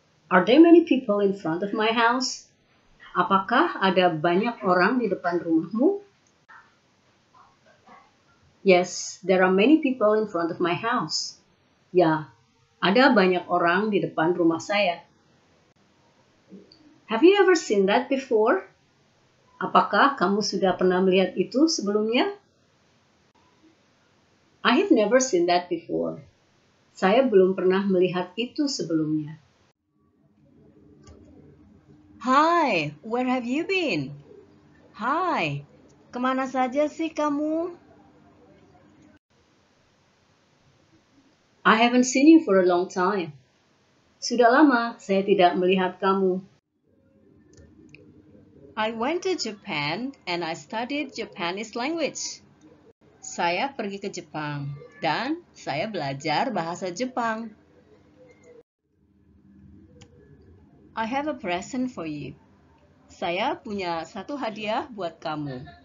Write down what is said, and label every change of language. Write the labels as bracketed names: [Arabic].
[English] Are there many people in front of my house? [Indonesian] Apakah ada banyak orang di depan rumahmu? [English] Yes, there are many people in front of my house. [Indonesian] Ya, ada banyak orang di depan rumah saya. [English] Have you ever seen that before? [Indonesian] Apakah kamu sudah pernah melihat itu sebelumnya? [English] I have never seen that before. [Indonesian] Saya belum pernah melihat itu sebelumnya. [English] Hi, where have you been? Hi, [Indonesian] kemana saja sih kamu? [English] I haven't seen you for a long time. [Indonesian] Sudah lama saya tidak melihat kamu. [English] I went to Japan and I studied Japanese language. [Indonesian] Saya pergi ke Jepang dan saya belajar bahasa Jepang. [English] I have a present for you. [Indonesian] Saya punya satu hadiah buat kamu.